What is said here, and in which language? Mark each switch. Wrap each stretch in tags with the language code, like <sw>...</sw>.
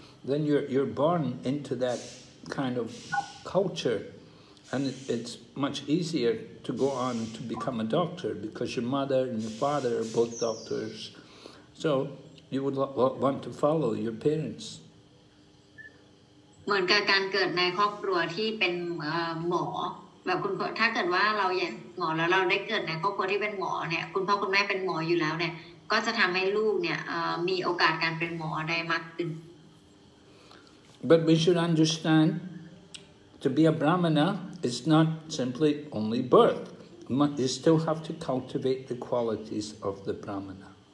<en>Then you're born into that kind of culture, and it's much easier. To go on to become a doctor because your mother and your father are both doctors, so you would want to follow your parents.</en> <th>เหมือนกับการเกิดในครอบครัวที่เป็นหมอแบบคุณพ่อถ้าเกิดว่าเราอยากหมอแล้วเราได้เกิดในครอบครัวที่เป็นหมอเนี่ยคุณพ่อคุณแม่เป็นหมออยู่แล้วเนี่ยก็จะทำให้ลูกเนี่ยมีโอกาสการเป็นหมอได้มากขึ้น</th> <en>But we should understand to be a brahmana. It's not simply only birth. You still have to cultivate the qualities of the brahmana.</en>